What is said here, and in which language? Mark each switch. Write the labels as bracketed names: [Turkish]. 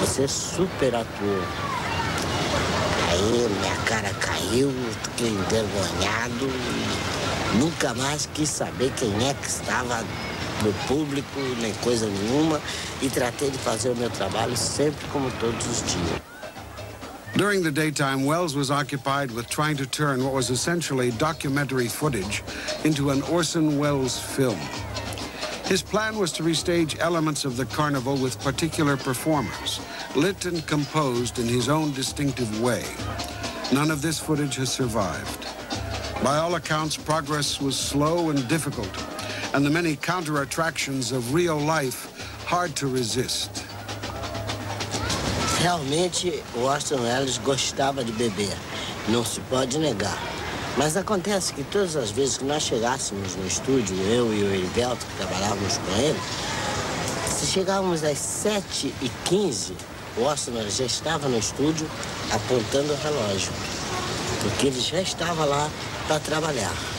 [Portuguese] Você super atuou. Aí minha cara caiu, fiquei envergonhado. Nunca mais quis saber quem é que estava no público, nem coisa nenhuma. E tratei de fazer o meu trabalho sempre como todos os dias. [English] During the daytime, Wells was occupied with trying to turn what was essentially documentary footage into an Orson Welles film. His plan was to restage elements of the carnival with particular performers, lit and composed in his own distinctive way. None of this footage has survived. By all accounts, progress was slow and difficult, and the many counter-attractions of real life hard to resist. [Portuguese] Realmente, o Orson Welles gostava de beber, não se pode negar. Mas acontece que todas as vezes que nós chegássemos no estúdio, eu e o Erivelto, que trabalhávamos com ele, se chegávamos às 7h15, o Orson Welles já estava no estúdio apontando o relógio, porque ele já estava lá para trabalhar.